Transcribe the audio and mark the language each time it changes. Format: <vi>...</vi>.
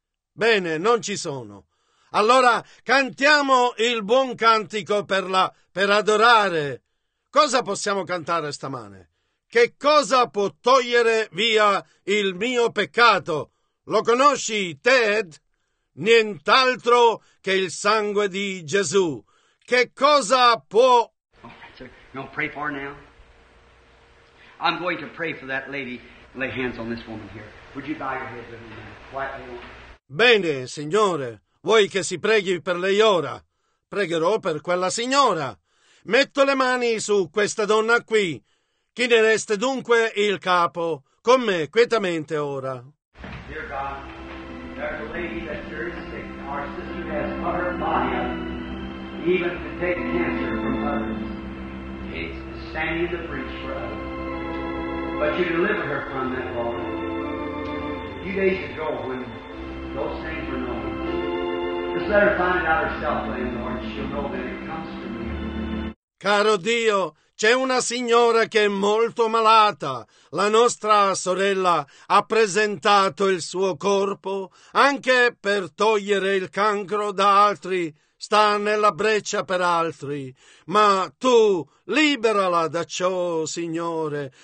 <it>Bene, non ci sono. Allora cantiamo il buon cantico per adorare. Cosa possiamo cantare stamane? Che cosa può togliere via il mio peccato? Lo conosci, Ted? Nient'altro che il sangue di Gesù. Che cosa può...</it> <en>No, pray for her now. I'm going to pray for that lady. Lay hands on this woman here. Would you bow your head with me now? Quietly.</en> <it>Bene, signore. Vuoi che si preghi per lei ora? Pregherò per quella signora. Metto le mani su questa donna qui. Chinereste dunque il capo con me quietamente ora.</it> <en>Dear God, there's a lady that's very sick. Our sister has put her body up, even to take cancer from her. It's standing in the breach for us. But you deliver her from that, Lord. A few days ago, when those things were known, just let her find it out herself, Lord. She'll know that it comes from you.</en> <it>Caro Dio, c'è una signora che è molto malata. La nostra sorella ha presentato il suo corpo anche per togliere il cancro da altri. Sta nella breccia per altri, ma tu liberala da ciò, Signore.</it>